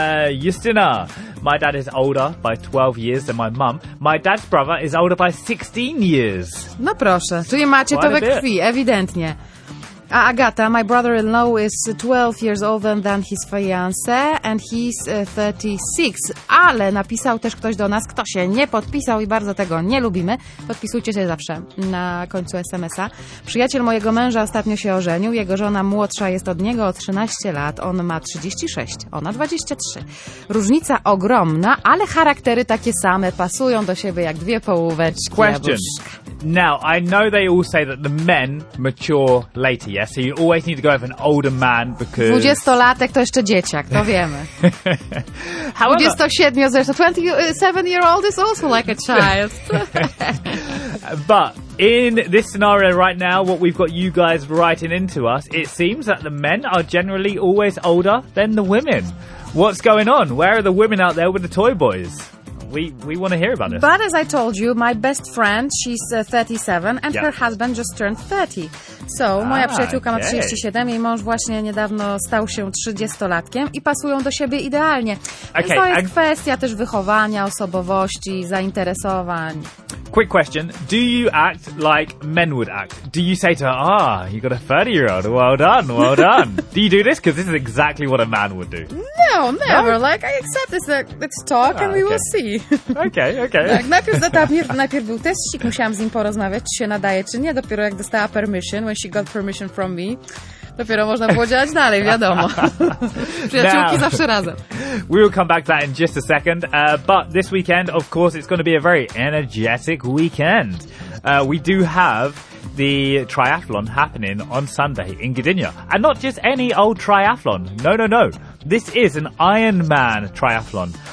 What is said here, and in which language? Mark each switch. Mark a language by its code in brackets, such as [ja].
[en] Justyna, my dad is older by 12 years than my mum. My dad's brother is older by 16 years. [pl] No proszę, czyli macie to we krwi, ewidentnie. [en] A Agata, my brother-in-law is 12 years older than his fiancé and he's 36. [pl] Ale napisał też ktoś do nas, kto się nie podpisał i bardzo tego nie lubimy. Podpisujcie się zawsze na końcu SMS-a. Przyjaciel mojego męża ostatnio się ożenił. Jego żona młodsza jest od niego o 13 lat. On ma 36, ona 23. Różnica ogromna, ale charaktery takie same pasują do siebie jak dwie połóweczki. [en] Question. Now, I know they all say that the men mature later, yes? So you always need to go with an older man because... [pl] 20-latek to jeszcze dzieciak, to wiemy. [en] However, 27-year-old is also like a child. But in this scenario right now, what we've got you guys writing into us, it seems that the men are generally always older than the women. What's going on? Where are the women out there with the toy boys? We want to hear about this. But as I told you, my best friend, she's 37 and yep. Her husband just turned 30. [pl] So, moja przyjaciółka ma 37, jej mąż właśnie niedawno stał się 30-latkiem i pasują do siebie idealnie. [en] Okay, [pl] to jest kwestia też wychowania, osobowości, zainteresowań. [en] Quick question. Do you act like men would act? Do you say to her, you got a 30-year-old, well done, well done. Do you do this? Because this is exactly what a man would do. No, never. No? Like, I accept this. Let's talk and we will see. Okay. [pl] Tak, najpierw był testik, musiałam z nim porozmawiać, czy się nadaje, czy nie. Dopiero jak dostała permission, [en] when she got permission from me, [pl] dopiero można było działać dalej, wiadomo. Przyjaciółki [en] now, [pl] zawsze razem. [en] We will come back to that in just a second. But this weekend, of course, it's going to be a very energetic weekend. We do have the triathlon happening on Sunday in Gdynia. And not just any old triathlon. No. This is an Ironman triathlon.